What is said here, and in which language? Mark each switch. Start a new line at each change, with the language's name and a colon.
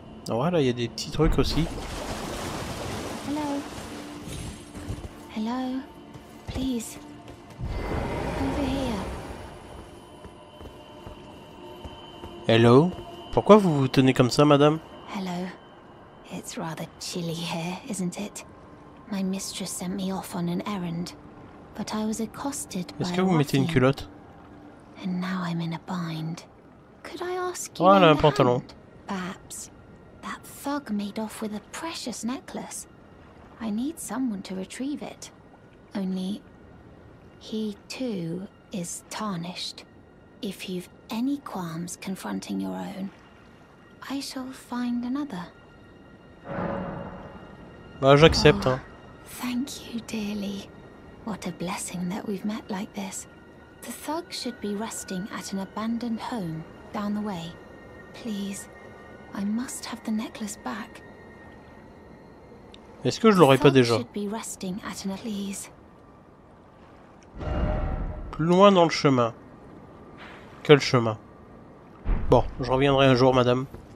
French: En vrai, là il y a des petits trucs aussi.
English: Hello. Hello. Please. Hello?
French: Pourquoi vous vous tenez comme ça, madame?
English: Hello. It's rather chilly here, isn't it? My mistress sent me off on an errand, but I was accosted by...
French: Est-ce que vous mettez une culotte?
English: And now I'm in a bind. Could I ask you...
French: Voilà, un pantalon.
English: Perhaps. That thug made off with a precious necklace. I need someone to retrieve it. Only he too is tarnished. If you've any qualms confronting your own, I shall find another.
French: Bah, j'accepte.
English: Oh, thank you dearly. What a blessing that we've met like this. The thug should be resting at an abandoned home down the way. Please, I must have the necklace back.
French: Est-ce que je l'aurais pas déjà?
English: Should be resting at an... Please.
French: Plus loin dans le chemin. Quel chemin? Bon, je reviendrai un jour, madame.